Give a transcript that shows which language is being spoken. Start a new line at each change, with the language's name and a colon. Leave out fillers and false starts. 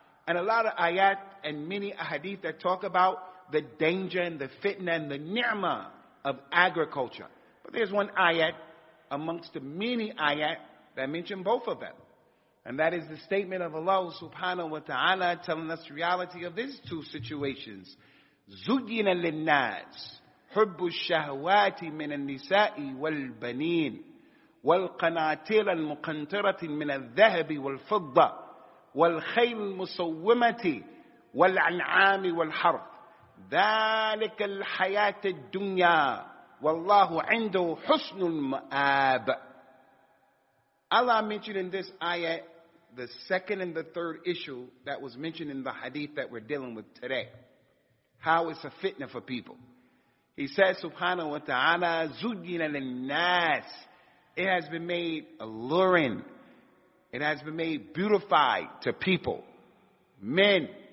English: And a lot of ayat and many hadith that talk about the danger and the fitna and the ni'mah of agriculture. But there's one ayat amongst the many ayat that mention both of them. And that is the statement of Allah subhanahu wa ta'ala telling us the reality of these two situations.
Arabic: Zuyyina lin-nas. حب الشهوات من النساء والبنين والقناطير المقنطرة من الذهب والفضة والخيل المسومة والأنعام والحرث ذلك الحياة الدنيا والله عنده حسن المآب.
English: Allah mentioned in this ayah the second and the third issue that was mentioned in the hadith that we're dealing with today. How it's a fitna for people. He says, subhanahu wa ta'ala,
Arabic: zuyyina lin-nas.
English: It has been made alluring. It has been made beautified to people. Men,